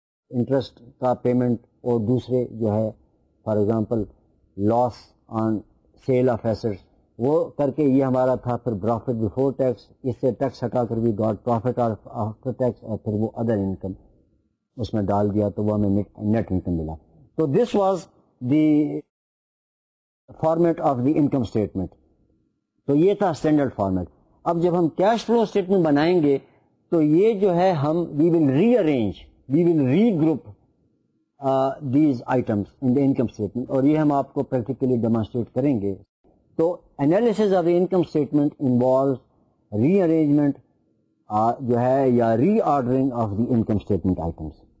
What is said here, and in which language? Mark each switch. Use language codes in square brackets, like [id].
[ur] Interest کا payment اور دوسرے جو ہے for example loss on cell of assets وہ کر کے یہ ہمارا تھا, پھر پروفٹ بیفور ٹیکس اس سے ٹیکس ہٹا کر بھی گاٹ پروفٹ آفٹر ٹیکس, اور پھر وہ ادر انکم اس میں ڈال دیا تو وہ ہمیں نیٹ انکم ملا. تو [en] This was the format of the income statement. [ur] تو یہ تھا اسٹینڈرڈ فارمیٹ. اب جب ہم کیش فلو اسٹیٹمنٹ بنائیں گے تو یہ جو ہے ہم [en] we will rearrange, we will regroup these items in the income statement, [ur] اور یہ ہم آپ کو پریکٹیکلی ڈیمانسٹریٹ کریں گے. [en] تو analysis of the income statement involves rearrangement جو ہے یا reordering of the income statement items.